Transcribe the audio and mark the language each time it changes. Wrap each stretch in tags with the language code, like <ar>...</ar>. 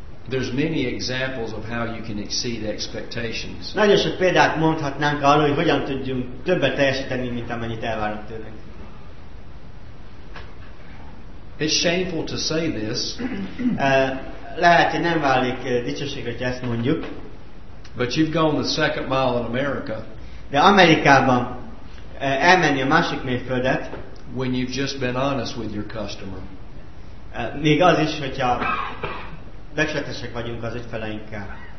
<en>There's many examples of how you can exceed expectations.</en> <hu>Nagyon sok példát mondhatnánk arról, hogy hogyan tudjunk többet teljesíteni, mint amennyit elvárnak tőlünk.</hu> <en>It's shameful to say this.</en> <hu>Lehet, hogy nem válik dicsőségre, hogy ezt mondjuk.</hu> <en>But you've gone the second mile in America.</en> <hu>De Amerikában elmenni a másik mérföldet.</hu> <en>When you've just been honest with your customer.</en> <hu>Még az is, hogyha becsületesek vagyunk az ügyfeleinkkel.</hu>